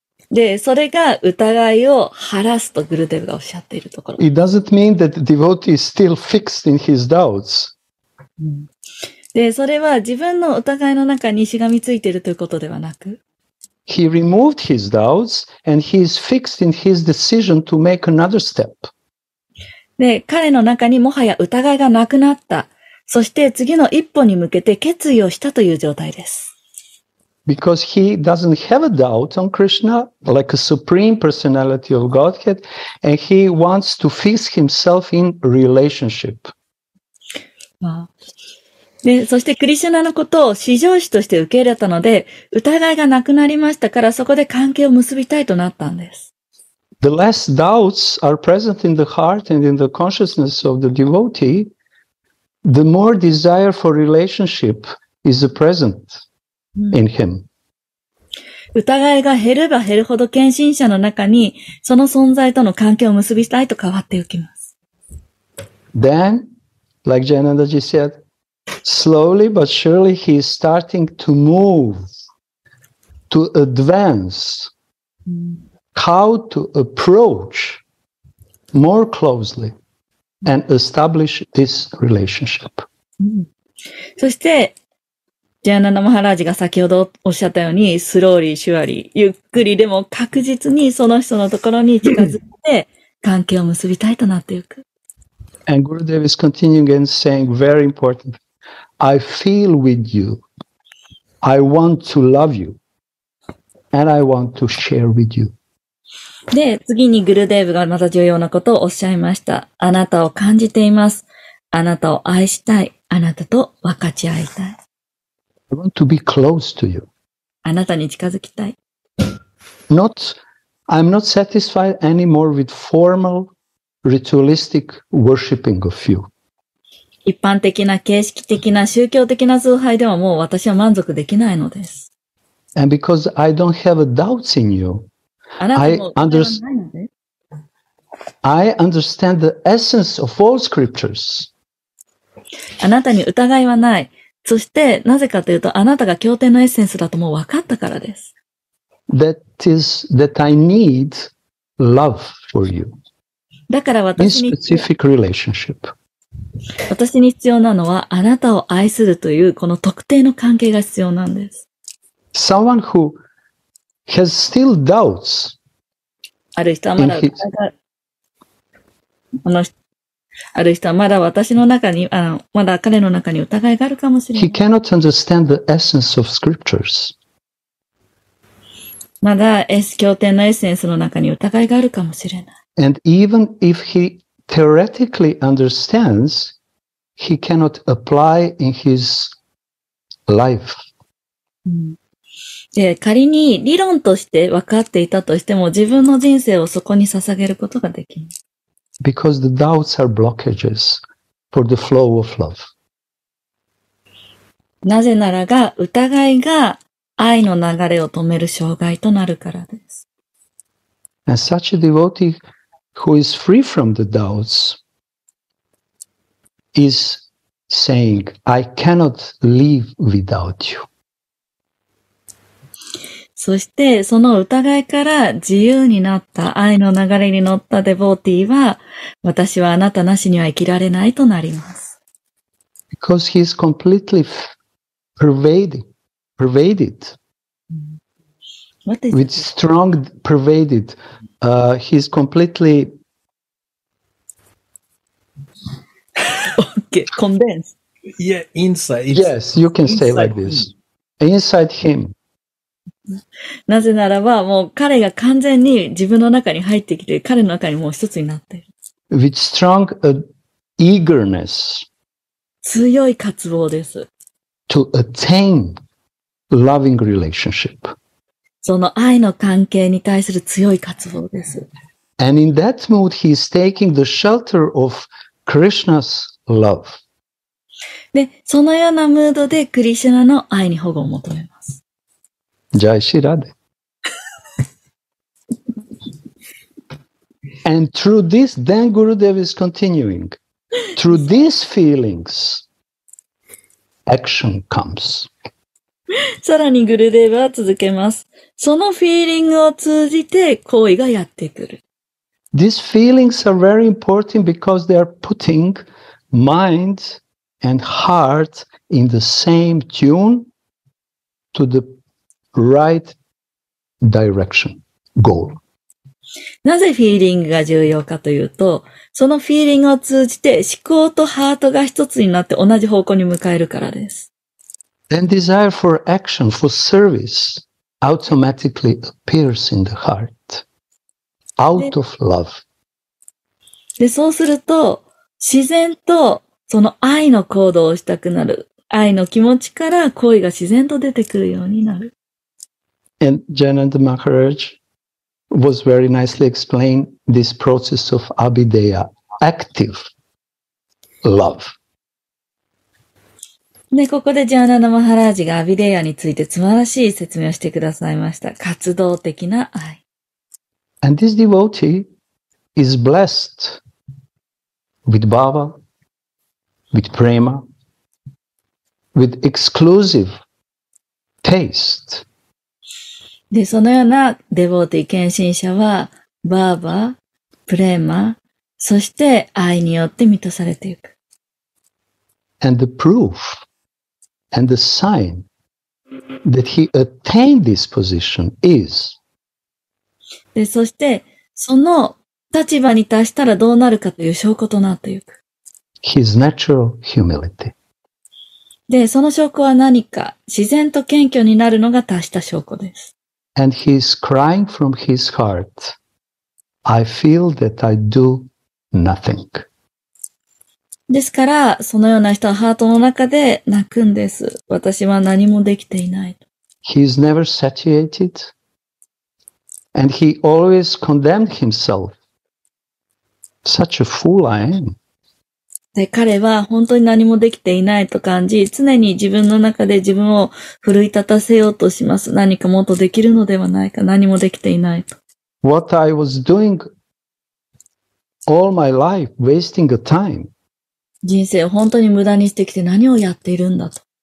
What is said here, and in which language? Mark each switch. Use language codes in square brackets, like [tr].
[ja] で、それが疑いを晴らすとグルデヴがおっしゃっているところ。 [en] It doesn't mean that the devotee is still fixed in his doubts. [ja] で、それは自分の疑いの中にしがみついているということではなく、 [en] He removed his doubts and he is fixed in his decision to make another step. [ja] で、彼の中にもはや疑いがなくなった。そして次の一歩に向けて決意をしたという状態です。 [en] Because he doesn't have a doubt on Krishna, like a supreme personality of Godhead, and he wants to fix himself in relationship. [ja] まあで、そしてクリシュナのことを至上主として受け入れたので、疑いがなくなりましたから、そこで関係を結びたいとなったんです。 [en] The less doubts are present in the heart and in the consciousness of the devotee, the more desire for relationship is present in him. [ja] 疑いが減れば減るほど、献身者の中に、その存在との関係を結びたいと変わっていきます。 [en] Then, like Jainandaji said,Slowly but surely he is starting to move, to advance, how to approach more closely and establish this relationship. [ja] そして、ジャーナナ・マハラージが先ほどおっしゃったように、 [en] スローリー、シュアリー、 [ja] ゆっくりでも確実にその人のところに近づいて、関係を結びたいとなっていく。 [en] And Gurudev is continuing and saying very important. I feel with you. I want to love you. And I want to share with you. [ja] で、次にグルデーヴがまた重要なことをおっしゃいました。あなたを感じています。あなたを愛したい。あなたと分かち合いたい。 [en] I want to be close to you. [ja] あなたに近づきたい。 [en] I'm not satisfied anymore with formal ritualistic worshipping of you. [ja] 一般的な形式的な宗教的な崇拝ではもう私は満足できないのです。 [en] And because I don't have a doubts in you, I understand the essence of all scriptures. [ja] あなたに疑いはない。そしてなぜかというとあなたが経典のエッセンスだともう分かったからです。 [en] That is that I need love for you. [ja] だから私に。 [en] In specific relationship. [ja] 私に必要なのはあなたを愛するというこの特定の関係が必要なんです。 [en] Someone who has still doubts. [ja] ある人はまだ疑い、ある人はまだ私の中に、まだ彼の中に疑いがあるかもしれない。 [en] He cannot understand the essence of scriptures. [ja] まだ経典のエッセンスの中に疑いがあるかもしれない。 [en] And even if heTheoretically understands, he cannot apply in his life. [ja] で、仮に理論として分かっていたとしても、自分の人生をそこに捧げることができない。 [en] Because the doubts are blockages for the flow of love. [ja] なぜならが、疑いが愛の流れを止める障害となるからです。 [en] And such a devotee,Who is free from the doubts is saying, I cannot live without you. [ja] そしてその疑いから自由になった愛の流れに乗ったデボーティーは私はあなたなしには生きられないとなります。 [en] Because he is completely pervaded. What is with strong pervaded. He is completely. Condensed. Yeah, inside. Yes, you can say like this. Inside him. [ja] なぜならば、もう彼が完全に自分の中に入ってきて、彼の中にもう一つになっている。 [en] With strong eagerness. [ja] 強い渇望です。 [en] To attain loving relationship. [ja] その愛の関係に対する強い渇望です。 [en] And in that mood, he is taking the shelter of Krishna's love. [ja] で、そのようなムードでクリシュナの愛に保護を求めます。ジャイシラデ。 [en] And through this, then Gurudev is continuing. Through these feelings, action comes. [ja] さらにグルデーブは続けます。そのフィーリングを通じて行為がやってくる。 [en] These feelings are very important because they are putting mind and heart in the same tune to the right direction, goal. [ja] なぜフィーリングが重要かというと、そのフィーリングを通じて思考とハートが一つになって同じ方向に向かえるからです。 [en] Then desire for action, for service, automatically appears in the heart. Out of love. [ja] で、そうすると、自然とその愛の行動をしたくなる。愛の気持ちから恋が自然と出てくるようになる。 [en] And Jananda Maharaj was very nicely explained this process of Abhideya, active love. [ja] で、ここでジャーナナ・マハラージがアビデヤについて素晴らしい説明をしてくださいました。活動的な愛。 [en] And this devotee is blessed with bhava, with prema, with exclusive taste. [ja] で、そのようなデボーティー、献身者は、バーバ、プレマ、そして愛によって満たされていく。 [en] And the proof. And the sign that he attained this position is. [ja] で、そして、その立場に達したらどうなるかという証拠となっていく。 [en] His natural humility. [ja] で、その証拠は何か、自然と謙虚になるのが達した証拠です。 [en] And he is crying from his heart, I feel that I do nothing. [ja] ですから、そのような人はハートの中で泣くんです。私は何もできていない。 [en] He is never satiated, and he always condemned himself. Such a fool I am. [ja] で、彼は本当に何もできていないと感じ、常に自分の中で自分を奮い立たせようとします。何かもっとできるのではないか、何もできていないと。 [en] What I was doing all my life, wasting the time. [ja] 人生を本当に無駄にしてきて何をやっているんだと。